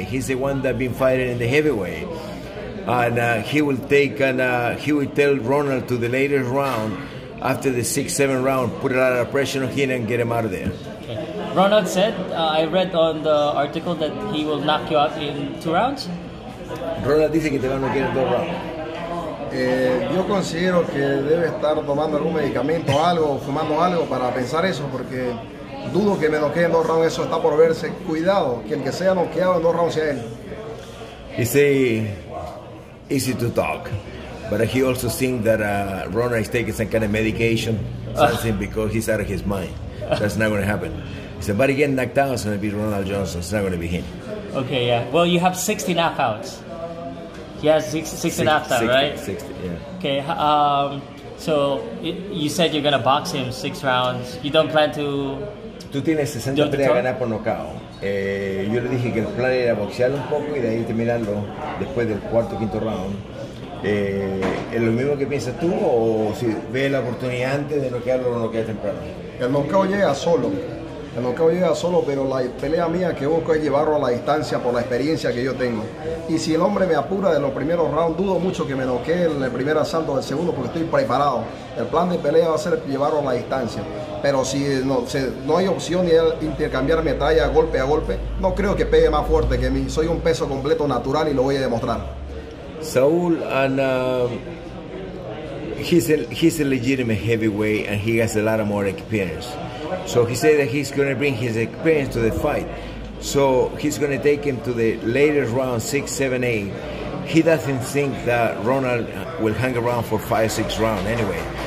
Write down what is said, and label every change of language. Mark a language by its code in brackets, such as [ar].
[en] He's the one that been fighting in the heavyweight. And he will tell Ronald to the latest round, after the 6-7 round, put a lot of pressure on him and get him out of there. Okay. Ronald said, I read on the article that he will knock you out in 2 rounds. [es] Ronald dice que te van a quedar 2 rounds. Yo considero que debe estar tomando algún medicamento, algo, fumando algo para pensar eso, porque dudo que me noqueen 2 rounds, eso está por verse. Cuidado, que el que sea noqueado en 2 rounds sea él. [en] It's easy to talk, but he also thinks that Ronald is taking some kind of medication, something because he's out of his mind. That's not going to happen. If somebody getting knocked out, it's going to be Ronald Johnson. It's not going to be him. Okay, yeah. Well, you have 60 knockouts. He has 60 knockouts, right? 60, yeah. Okay, so you said you're going to box him 6 rounds. You don't plan to... [es] Tú tienes 60 peleas a ganar por nocao. Yo le dije que el plan era boxearlo un poco y de ahí terminarlo después del cuarto o quinto round. ¿Es lo mismo que piensas tú o si ves la oportunidad antes de noquearlo o noquear temprano? El nocao llega solo. El nocao llega solo, pero la pelea mía que busco es llevarlo a la distancia por la experiencia que yo tengo. Y si el hombre me apura de los primeros rounds, dudo mucho que me noquee en el primer asalto del segundo porque estoy preparado. El plan de pelea va a ser llevarlo a la distancia. Pero si no hay opción de intercambiar metralla golpe a golpe, no creo que pegue más fuerte que mí. Soy un peso completo natural y lo voy a demostrar. [en] Saul, and he's a legitimate heavyweight and he has a lot of more experience. So he said that he's going to bring his experience to the fight. So he's going to take him to the latest round, 6, 7, 8. He doesn't think that Ronald will hang around for 5, 6 rounds anyway.